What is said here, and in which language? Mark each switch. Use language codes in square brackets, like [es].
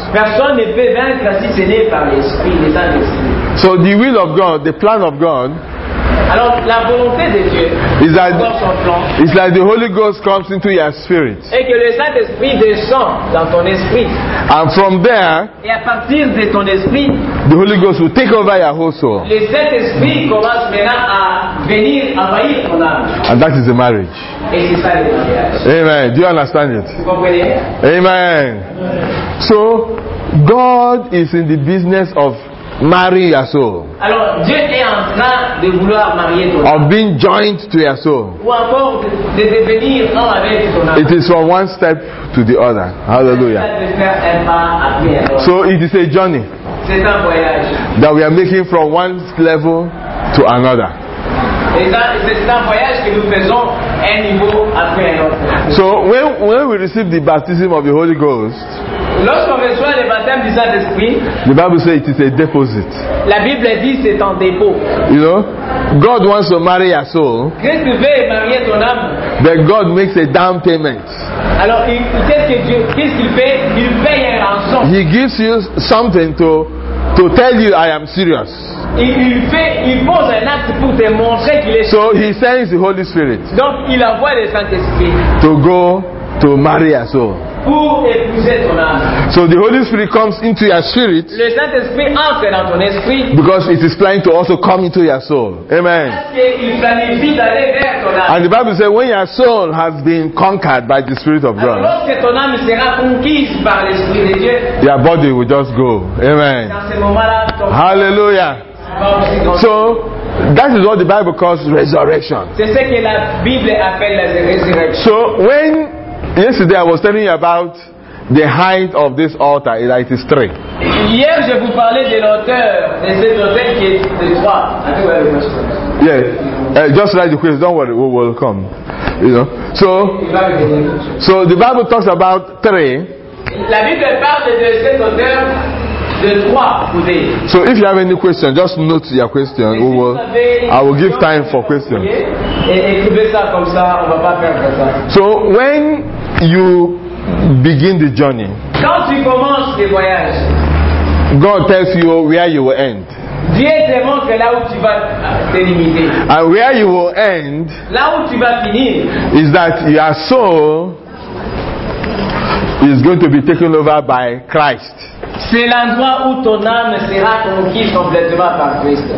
[fr] Personne ne peut vaincre si ce n'est par l'Esprit, les saints d'Esprit. [en] So the will of God, the plan of God. [fr] Alors la volonté de Dieu. [en] Is that [fr] son plan, [en] it's like the Holy Ghost comes into your spirit. [fr] Et que le Saint Esprit descend dans ton esprit. [en] And from there. [fr] Et à partir de ton esprit. [en] The Holy Ghost will take over your whole soul. [fr] Le Saint Esprit commence maintenant à venir envahir ton âme. [en] And that is the marriage. [fr] Et c'est ça le mariage. [en] Amen. Do you understand it? [fr] Vous comprenez? Amen. [en] So God is in the business of marry your soul. [fr] Alors, Dieu est en train de vouloir marier ton âme. [en] Of being joined to your soul. [fr] Ou encore de devenir un avec ton âme. [en] It is from one step to the other. Hallelujah. So it is a journey. [fr] C'est un voyage. [en] That we are making from one level to another. [fr] Et ça, c'est un voyage que nous faisons un niveau après un autre. [en] So when we receive the baptism of the Holy Ghost. [fr] Lorsqu'on reçoit le baptême du Saint-Esprit, [en] the Bible says it is a deposit. [fr] La Bible dit c'est un dépôt. [en] You know, God wants to marry your soul. [fr] Christ veut marier ton âme. [en] Then God makes a down payment. [fr] Alors, qu'est-ce qu'il fait? Il paye un rançon. [en] He gives you something to tell you I am serious. [fr] Il pose un acte pour te montrer qu'il est. [en] So he sends the Holy Spirit. [fr] Donc il envoie le Saint-Esprit. [en] To go to marry your soul. So the Holy Spirit comes into your spirit. [fr] Le Saint-Esprit entre dans ton esprit. [en] Because it is planning to also come into your soul. Amen. And the Bible says when your soul has been conquered by the Spirit of God. [fr] Lorsque ton âme sera conquise par l'Esprit de Dieu, [en] your body will just go. Amen. Hallelujah. So that is what the Bible calls resurrection. [fr] C'est ce que la Bible appelle la résurrection. [en] So when yesterday I was telling you about the height of this altar, it is 3. [fr] Hier je vous parlais de l'auteur de cet hôtel qui est de 3. [en] Yes. Just like the quiz, don't worry, we will come. You know. So the Bible talks about 3. [fr] La Bible parle de cet hôtel de 3. [en] So if you have any question, just note your question. [fr] Si [en] I will give time for questions. [fr] Écrivez ça comme ça, on va pas perdre ça. [en] So when you begin the journey. [fr] Quand tu commences le voyage, [en] God tells you where you will end. [fr] Dieu te montre là où tu vas te limiter. [en] And where you will end. [fr] Là où tu vas finir. [en] Is that your soul is going to be taken over by Christ. [fr] C'est l'endroit où ton âme sera conquise complètement par Christ.